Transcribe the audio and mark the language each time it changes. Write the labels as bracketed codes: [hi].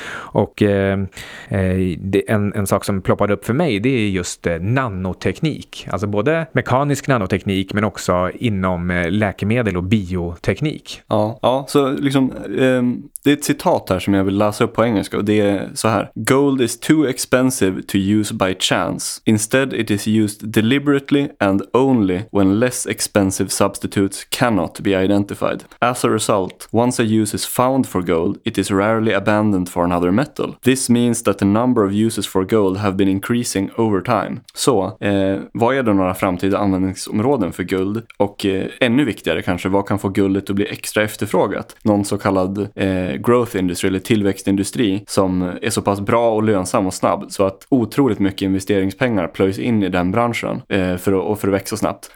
[sv] Och en sak som ploppade upp för mig, det är just nanoteknik, alltså både mekanisk nanoteknik men också inom läkemedel och bioteknik. Ja, så liksom det är ett citat här som jag vill läsa upp på engelska, och det är så här: [en] gold is too expensive to use by chance. Instead it is used deliberately and only when less expensive substitutes cannot be identified. As a result, once a use is found for gold, it is rarely abandoned for another metal. This means that the number of uses for gold have been increasing over time. [sv] Så, vad är då några framtida användningsområden för guld? Och ännu viktigare kanske, vad kan få guldet att bli extra efterfrågat? Någon så kallad growth industry eller tillväxtindustri som är så pass bra och lönsam och snabb så att otroligt mycket investeringspengar plöjs in i den branschen för att växa snabbt.